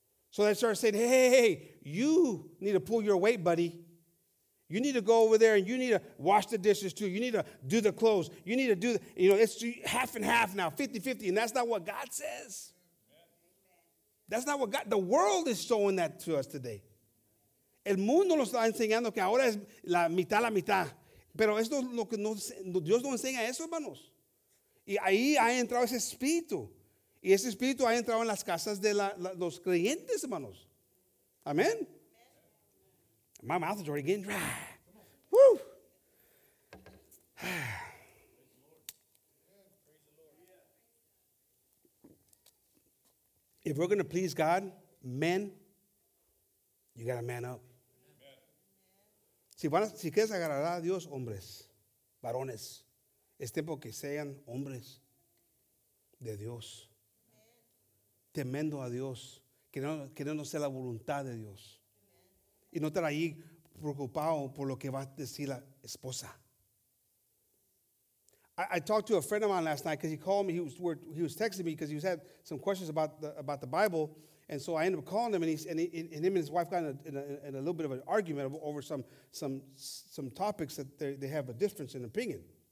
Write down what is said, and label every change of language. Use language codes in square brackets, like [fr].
[en] So they started saying, hey, you need to pull your weight, buddy. You need to go over there and you need to wash the dishes too. You need to do the clothes. You need to do, you know, it's half and half now, 50-50. And that's not what God says. That's not what God, the world is showing that to us today. [es] El mundo nos está enseñando que ahora es la mitad. Pero esto es lo que Dios nos enseña eso, hermanos. Y ahí ha entrado ese espíritu. Y ese espíritu ha entrado en las casas de los creyentes, hermanos. [en] Amén. My mouth is already getting dry. Woo! If we're going to please God, men, you got to man up. [es] Si quieres agradar a Dios, hombres, varones, es tiempo que sean hombres de Dios. Temendo a Dios, queriendo ser la voluntad de Dios. Y no estar ahí preocupado por lo que va a decir la esposa. [en] I talked to a friend of mine last night because he called me. He was texting me because he had some questions about the Bible. And so I ended up calling him, and him and his wife got in a little bit of an argument over some topics that they have a difference in opinion.